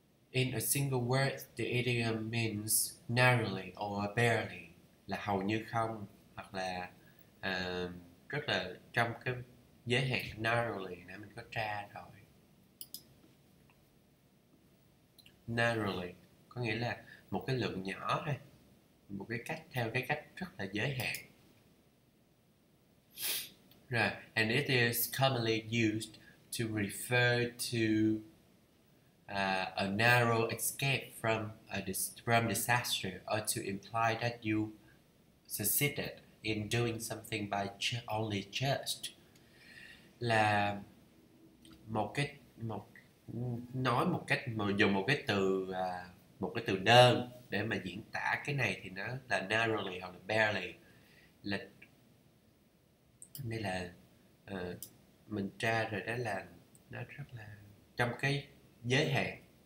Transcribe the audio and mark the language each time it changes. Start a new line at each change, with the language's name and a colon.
English: In a single word, the idiom means narrowly or barely,
Vietnamese: là hầu như không, hoặc là rất là trong cái giới hạn narrowly nãy mình có tra rồi. Narrowly có nghĩa là một cái lượng nhỏ thôi, một cái cách theo cái cách rất là giới hạn.
English: Rồi, and it is commonly used to refer to a narrow escape from a from disaster, or to imply that you succeeded in doing something by ch only just.
Vietnamese: Là một cái một nói một cách mà dùng một cái từ đơn để mà diễn tả cái này thì nó là narrowly hoặc là barely. Là đây là mình tra rồi, đó là nó rất là trong cái giới hạn.